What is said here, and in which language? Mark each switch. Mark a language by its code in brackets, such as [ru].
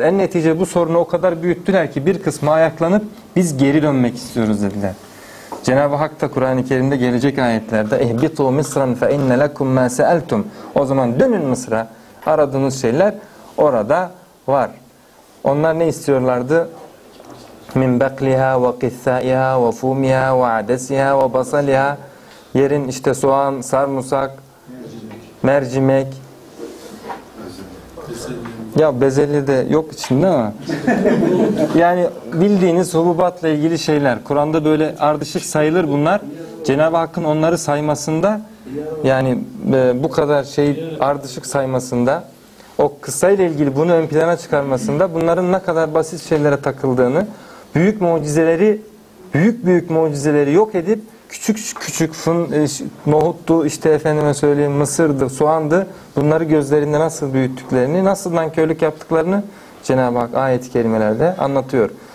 [tr] En netice bu sorunu o kadar büyüttüler ki bir kısmı ayaklanıp biz geri dönmek istiyoruz dediler. Cenab-ı Hak da Kur'an-ı Kerim'de gelecek ayetlerde [ar] اِهْبِطُوا مِصْرًا فَاِنَّ لَكُمْ مَا سَأَلْتُمْ [tr] O zaman dönün Mısır'a. Aradığınız şeyler orada var. Onlar ne istiyorlardı? [ar] مِنْ بَقْلِهَا وَقِثَّائِهَا وَفُومِهَا وَعَدَسِهَا وَبَصَلِهَا [tr] Yerin işte soğan, sarımsak, mercimek. Ya bezelye de yok içinde ama. Yani bildiğiniz hububatla ilgili şeyler. Kur'an'da böyle ardışık sayılır bunlar. Cenab-ı Hakk'ın onları saymasında, yani bu kadar şey ardışık saymasında, o kıssayla ilgili bunu ön plana çıkarmasında bunların ne kadar basit şeylere takıldığını, büyük mucizeleri, büyük büyük mucizeleri yok edip küçük küçük nohuttu, işte efendime söyleyeyim mısırdı, soğandı, bunları gözlerinde nasıl büyüttüklerini, nasıl nankörlük yaptıklarını Cenab-ı Hak ayet-i kerimelerde anlatıyor.